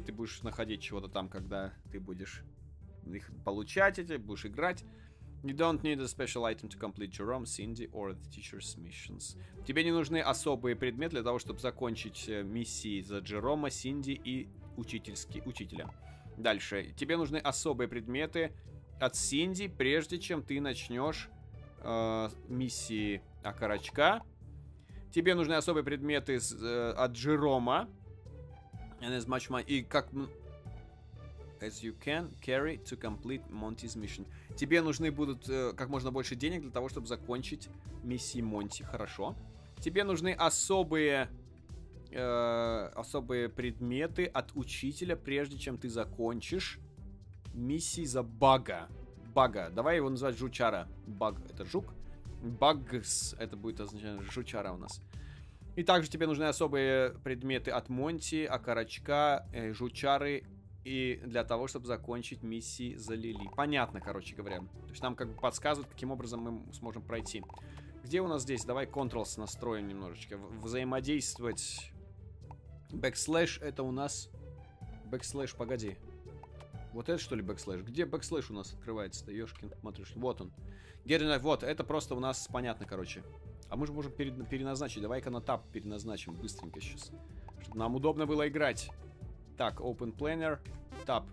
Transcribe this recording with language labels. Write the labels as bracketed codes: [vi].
[ru] Ты будешь находить чего-то там, когда ты будешь их получать, эти, будешь играть. [en] You don't need a special item to complete your room, Cindy, or the teacher's missions. [ru] Тебе не нужны особые предметы для того, чтобы закончить миссии за Джерома, Синди и учителя. Дальше. Тебе нужны особые предметы от Синди, прежде чем ты начнешь миссии Акарачка. Тебе нужны особые предметы от Джерома. [en] And as much money... As you can carry to complete Monty's mission. [ru] Тебе нужны будут как можно больше денег для того, чтобы закончить миссии Монти. Хорошо. Тебе нужны особые предметы от учителя, прежде чем ты закончишь миссии за Бага. Бага. Давай его называть Жучара. Баг — это жук. Багс — это будет означать Жучара у нас. И также тебе нужны особые предметы от Монти, Акарачка, Жучары и для того, чтобы закончить миссии за Лили. Понятно, короче говоря. То есть нам как бы подсказывают, каким образом мы сможем пройти. Где у нас здесь? Давай Ctrl настроим немножечко. Взаимодействовать. Backslash это у нас... Backslash, погоди. Вот это что ли backslash? Где backslash у нас открывается-то, ёшкин матрешкин? Вот он. Вот, это просто у нас понятно, короче. А мы же можем переназначить. Давай-ка на Tab переназначим быстренько сейчас. Чтобы нам удобно было играть. Так, Open Planner, Tab.